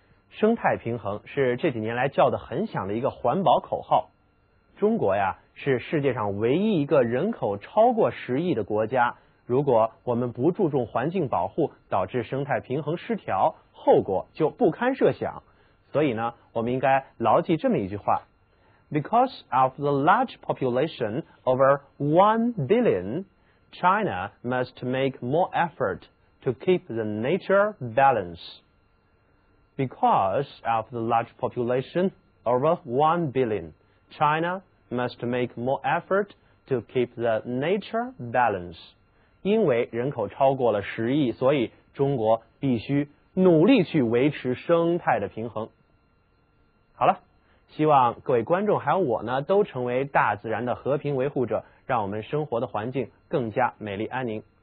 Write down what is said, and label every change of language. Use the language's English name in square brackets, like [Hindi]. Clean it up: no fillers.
[Chinese] 生态平衡是这几年来叫得很响的一个环保口号。中国呀，是世界上唯一一个人口超过10亿的国家，如果我们不注重环境保护，导致生态平衡失调，后果就不堪设想。所以呢，我们应该牢记这么一句话， [English] Because of the large population over 1 billion, China must make more effort to keep the nature balance. Because of the large population over 1 billion, China must make more effort to keep the nature balance. [Chinese] 因为人口超过了10亿，所以中国必须努力去维持生态的平衡。好了，希望各位观众还有我呢，都成为大自然的和平维护者，让我们生活的环境更加美丽安宁。